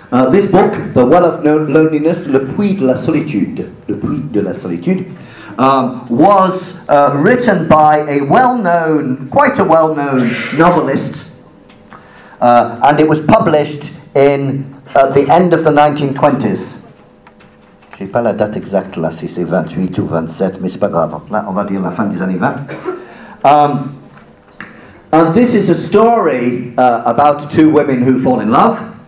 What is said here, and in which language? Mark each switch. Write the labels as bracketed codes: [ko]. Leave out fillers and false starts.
[en] This book, The Well of Loneliness, Le Puits de la Solitude, was written by quite a well-known novelist, and it was published in the end of the 1920s. [fr] Je n'ai pas la date exacte là, si c'est 28 ou 27, mais c'est pas grave. Là, on va dire la fin des années 20. [en] And this is a story about two women who fall in love.